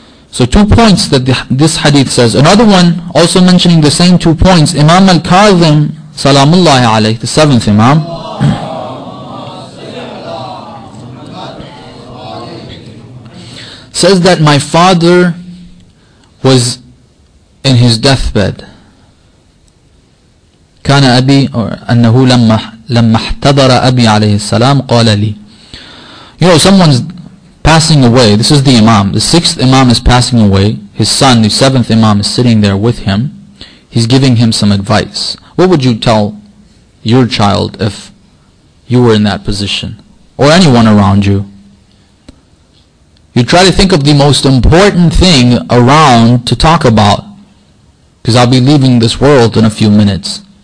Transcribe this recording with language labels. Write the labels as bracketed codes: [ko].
[en] So two points that this hadith says. Another one, also mentioning the same two points, Imam Al-Kadhim, Salamullahi Alayhi, the seventh Imam. Says that my father was in his deathbed. [ar] كان أبي or أنه لما احتضر أبي عليه السلام قال لي. [en] You know, someone's passing away. This is the Imam. The sixth Imam is passing away. His son, the seventh Imam, is sitting there with him. He's giving him some advice. What would you tell your child if you were in that position? Or anyone around you? You try to think of the most important thing around to talk about, because I'll be leaving this world in a few minutes.